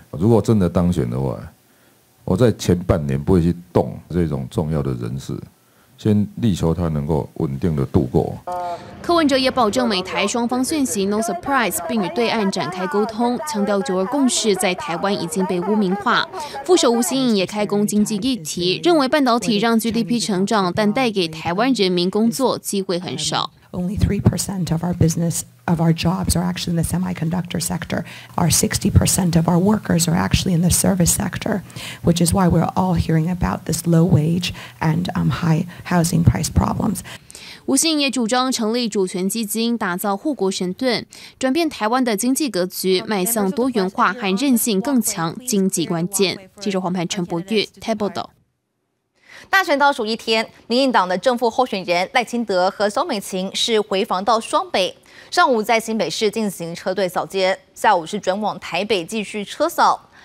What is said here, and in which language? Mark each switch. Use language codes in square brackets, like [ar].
[zh] 如果真的当选的话，我在前半年不会去动这种重要的人士，先力求他能够稳定的度过。柯文哲也保证美台双方讯息 [en] no surprise， [zh] 并与对岸展开沟通，强调九二共识在台湾已经被污名化。副手吴欣盈也开工经济议题，认为半导体让 GDP 成长，但带给台湾人民工作机会很少。 [en] Only 3% of our business of our jobs are actually in the semiconductor sector. Our 60% of our workers are actually in the service sector, which is why we're all hearing about this low wage and high housing price problems. [zh] 吴欣盈也主张成立主权基金，打造护国神盾，转变台湾的经济格局，迈向多元化和韧性更强经济关键。记者黄盼、陈博玉台报道。大选倒数一天，民进党的正副候选人赖清德和萧美琴是回防到双北，上午在新北市进行车队扫街，下午是转往台北继续车扫。